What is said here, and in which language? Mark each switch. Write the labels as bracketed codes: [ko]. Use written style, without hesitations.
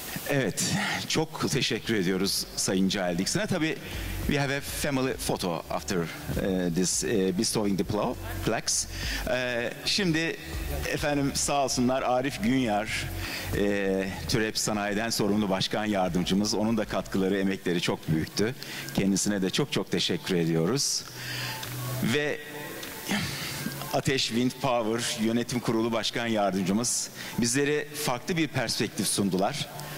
[tr] Evet, çok teşekkür ediyoruz Sayın Cahil Dixon'a. [en] Tabii, we have a family photo after this bestowing the plaque. [tr] Şimdi, efendim sağ olsunlar, Arif Günyar, TÜREP Sanayi'den sorumlu başkan yardımcımız. Onun da katkıları, emekleri çok büyüktü. Kendisine de çok çok teşekkür ediyoruz. Ve Ateş Wind Power Yönetim Kurulu Başkan Yardımcımız, bizlere farklı bir perspektif sundular.